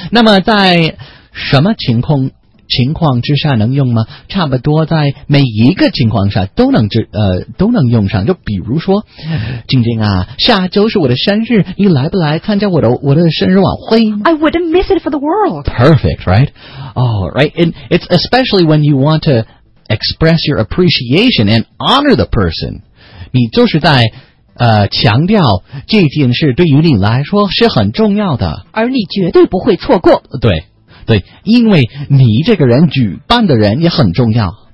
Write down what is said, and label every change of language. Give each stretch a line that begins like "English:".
Chinese: 那么在什么情况之下能用吗？差不多在每一个情况下都能用上。就比如说，晶晶啊，下周是我的生日，你来不来参加我的生日晚会
English: ？I wouldn't miss it for the world. Perfect, right? Oh, right. And it's especially when you want to express your appreciation and honor the person.
Chinese: 你就是在强调这件事对于你来说是很重要的，而你绝对不会错过。对。对，因为你这个人举办的人也很重要。